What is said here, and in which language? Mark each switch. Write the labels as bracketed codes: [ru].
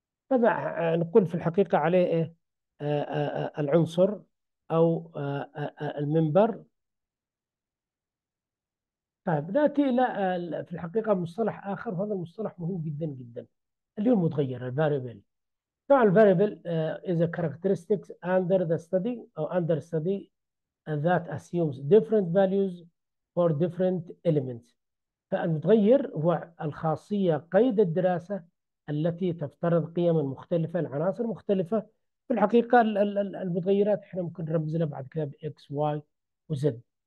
[ar] فما نقول في الحقيقة عليه إيه؟ العنصر أو المنبر. طيب نأتي إلى في الحقيقة مصطلح آخر، وهذا المصطلح مهم جدا جدا، اللي هو المتغير الفاريبل. طبعا الفاريبل [en] is a characteristic under the study or under study that assumes different values for different elements. [ar] فالمتغير هو الخاصية قيد الدراسة التي تفترض قيما مختلفة لعناصر مختلفة. في الحقيقة المتغيرات احنا ممكن نرمز لها بعد كده بإكس واي وزد.